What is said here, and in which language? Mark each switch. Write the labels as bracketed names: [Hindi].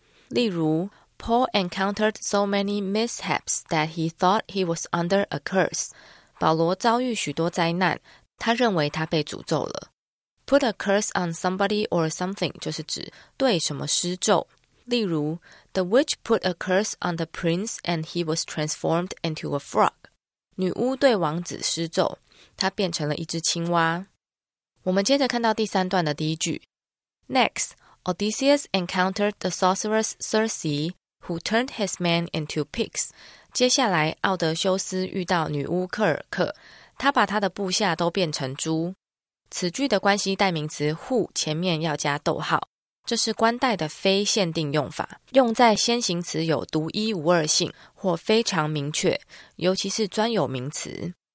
[Chinese] 例如 [English] Paul encountered so many mishaps that he thought he was under a curse [Chinese] 保罗遭遇许多灾难他认为他被诅咒了 [English] Put a curse on somebody or something [Chinese] 就是指对什么施咒例如 [English] The witch put a curse on the prince and he was transformed into a frog. [Chinese] 女巫对王子施咒,她变成了一只青蛙。我们接着看到第三段的第一句。 [English] Next, Odysseus encountered the sorceress Circe, who turned his men into pigs. [Chinese] 接下来,奥德修斯遇到女巫克尔克,她把她的部下都变成猪。此句的关系代名词 who 前面要加逗号。这是冠带的非限定用法，用在先行词有独一无二性或非常明确，尤其是专有名词。